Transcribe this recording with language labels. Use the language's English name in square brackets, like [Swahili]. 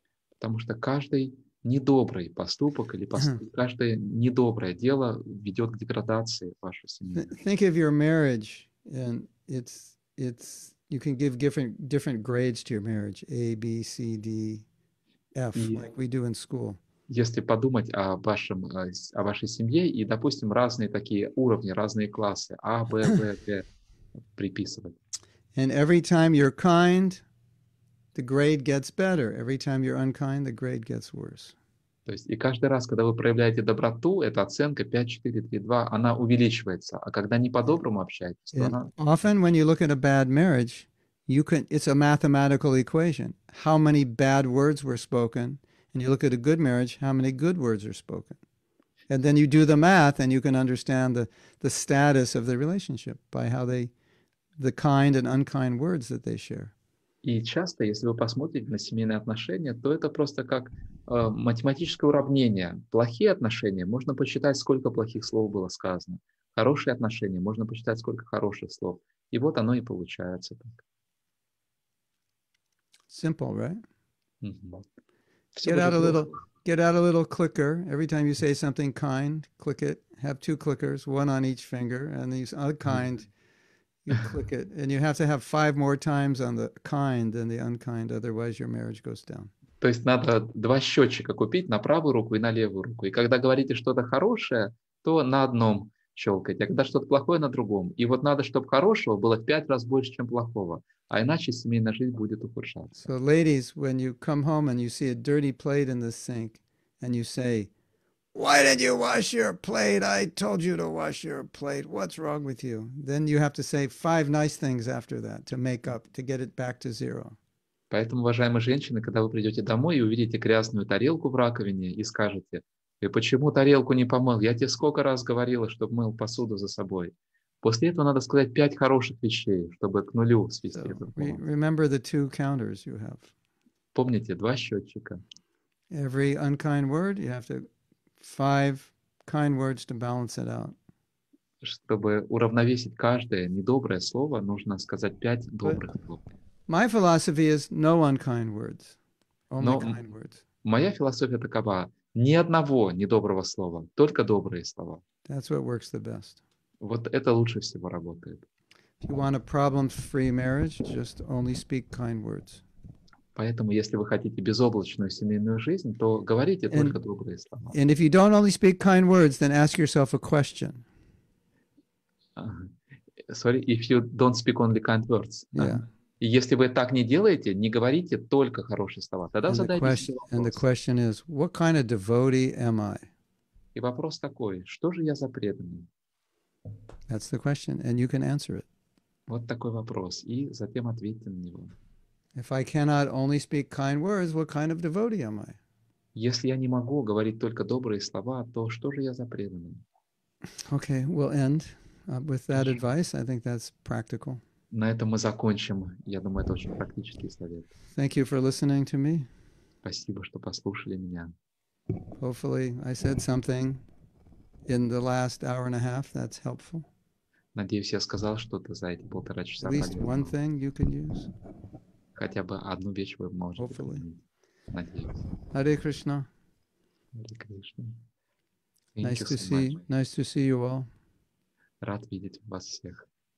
[Russian] Потому что каждый недобрый поступок или каждое недоброе дело ведет к деградации вашей семьи. [English] Think of your marriage and it's you can give different grades to your marriage: A, B, C, D, F, like we do in school. [Russian] Если подумать о вашей семье и, допустим, разные такие уровни, разные классы А, Б, В, Г приписывать. [English] And every time you're kind, the grade gets better. Every time you're unkind, the grade gets worse. [Russian] То есть и каждый раз, когда вы проявляете доброту, эта оценка 5, 4, 3, 2, она увеличивается. А когда не по-доброму общаетесь, то она... [English] Often when you look at a bad marriage, it's a mathematical equation. How many bad words were spoken? And you look at a good marriage, how many good words are spoken. And then you do the math and you can understand the status of the relationship by how the kind and unkind words that they share. [Russian] И часто, если вы посмотрите на семейные отношения, то это просто как математическое уравнение. Плохие отношения, можно посчитать, сколько плохих слов было сказано. Хорошие отношения, можно посчитать, сколько хороших слов. И вот оно и получается так. [English] Simple, right? Mm-hmm. Get out a little clicker. Every time you say something kind, click it. Have two clickers, one on each finger, and these unkind, you click it. And you have to have five more times on the kind than the unkind, otherwise your marriage goes down. [Russian] То есть надо два счетчика купить на правую руку и на левую руку. И когда говорите что-то хорошее, то на одном щелкать, а когда что-то плохое, на другом. И вот надо, чтобы хорошего было в пять раз больше, чем плохого. А иначе семейная жизнь будет ухудшаться. [English] So, ladies, when you come home and you see a dirty plate in the sink, and you say, "Why did you wash your plate? I told you to wash your plate. What's wrong with you?" Then you have to say five nice things after that to make up, to get it back to zero. [Russian] Поэтому, уважаемые женщины, когда вы придете домой и увидите грязную тарелку в раковине, и скажете: "И почему тарелку не помыл? Я тебе сколько раз говорила, чтобы мыл посуду за собой." После этого надо сказать пять хороших вещей, чтобы к нулю свести этот пункт. [English] Remember the two counters you have. [Russian] Помните два счетчика. [English] Every unkind word, you have to five kind words to balance it out. [Russian] Чтобы уравновесить каждое недоброе слово, нужно сказать пять добрых слов. [English] My philosophy is no unkind words, only kind words. [Russian] Моя философия такова: ни одного недоброго слова, только добрые слова. [English] That's what works the best. [Russian] Вот это лучше всего работает. [English] If you want a problem-free marriage, just only speak kind words. [Russian] Поэтому, если вы хотите безоблачную семейную жизнь, то говорите только добрые слова. [English] And if you don't only speak kind words, then ask yourself a question. Sorry, if you don't speak only kind words. [Russian] И если вы так не делаете, не говорите только хорошие слова, тогда задайте себе вопрос. [English] And the question is, what kind of devotee am I? [Russian] И вопрос такой: что же я за преданный? [English] That's the question, and you can answer it. [Russian] Вот такой вопрос, и затем ответьте на него. [English] If I cannot only speak kind words, what kind of devotee am I? [Russian] Если я не могу говорить только добрые слова, то что же я за преданный? [English] Okay, we'll end with that advice. I think that's practical. [Russian] На этом мы закончим. Я думаю, это очень практический совет. [English] Thank you for listening to me. [Russian] Спасибо, что послушали меня. [English] Hopefully, I said something in the last hour and a half that's helpful. [Russian] Надеюсь, я сказал что-то за эти полтора часа. [English] At least one thing you can use. [Russian] Хотя бы одну вещь вы можете. [English] Hopefully. [Russian] Надеюсь. [Sanskrit] Hare Krishna. Hare Krishna. [English] Nice to see you all. [Russian] Рад видеть вас всех.